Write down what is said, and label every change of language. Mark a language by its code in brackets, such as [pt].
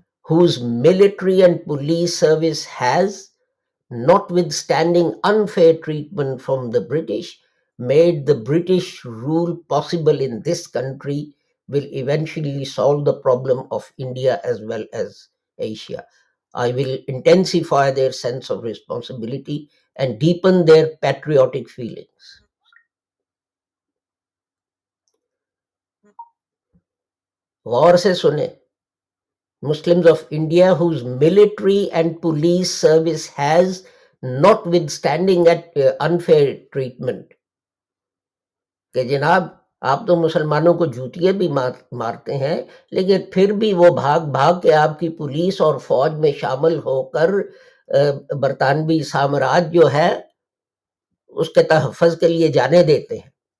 [en] whose military and police service has, notwithstanding unfair treatment from the British, made the British rule possible in this country, will eventually solve the problem of India as well as Asia. I will intensify their sense of responsibility and deepen their patriotic feelings. [ur] غور سے سنیں، [en] Muslims of India whose military and police service has, notwithstanding at unfair treatment, [ur] کہ جناب آپ تو مسلمانوں کو جوتیاں بھی مارتے ہیں لیکن پھر بھی وہ بھاگ بھاگ کے آپ کی پولیس اور فوج میں شامل ہو کر برطانوی سامراج جو ہے اس کے تحفظ کے لیے جانے دیتے ہیں۔